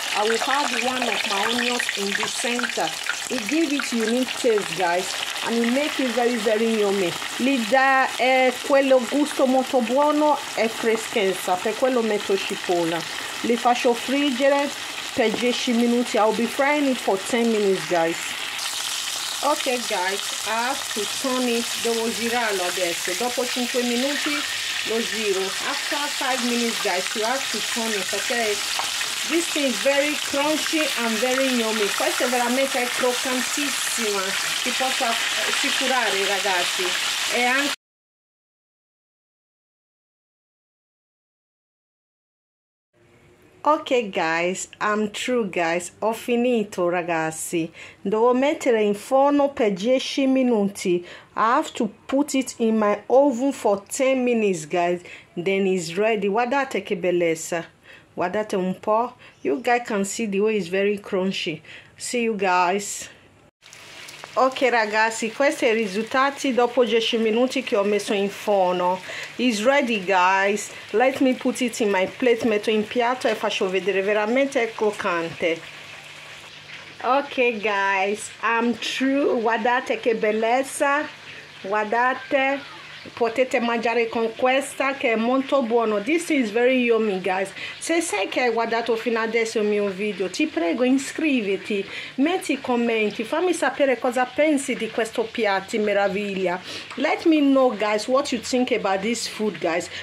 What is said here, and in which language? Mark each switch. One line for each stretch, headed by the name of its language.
English: I will have one of my onions in the center. It gives it unique taste, guys. And it makes it very, very yummy.
Italian: Li dà quello gusto molto buono e freschezza. Per quello metto cipolla. Li faccio friggere per 10 minuti.
English: I'll be frying it for 10 minutes, guys. Okay, guys, I have to turn it.
Italian: Devo girarlo adesso. Dopo 5 minuti lo giro.
English: After 5 minutes, guys, you have to turn it, okay? This thing is very crunchy and very yummy.
Italian: Questa veramente è croccantissima. Si può assicurare, ragazzi. E anche.
English: Okay, guys, I'm true, guys.
Italian: Ho finito, ragazzi. Devo mettere in forno per 10 minuti.
English: I have to put it in my oven for 10 minutes, guys. Then it's ready.
Italian: Guardate che bellezza. Guardate un po'.
English: You guys can see the way it's very crunchy. See you guys.
Italian: Ok ragazzi, questi sono i risultati dopo 10 minuti che ho messo in forno.
English: It's ready guys, let me put it in my plate,
Italian: metto in piatto e faccio vedere, veramente è croccante.
English: Ok guys, I'm true,
Italian: guardate che bellezza, guardate, potete mangiare con questa che è molto buono.
English: This is very yummy guys.
Italian: Se sai che hai guardato fino adesso il mio video, ti prego iscriviti, metti i commenti, fammi sapere cosa pensi di questo piatto meraviglia.
English: Let me know guys what you think about this food guys.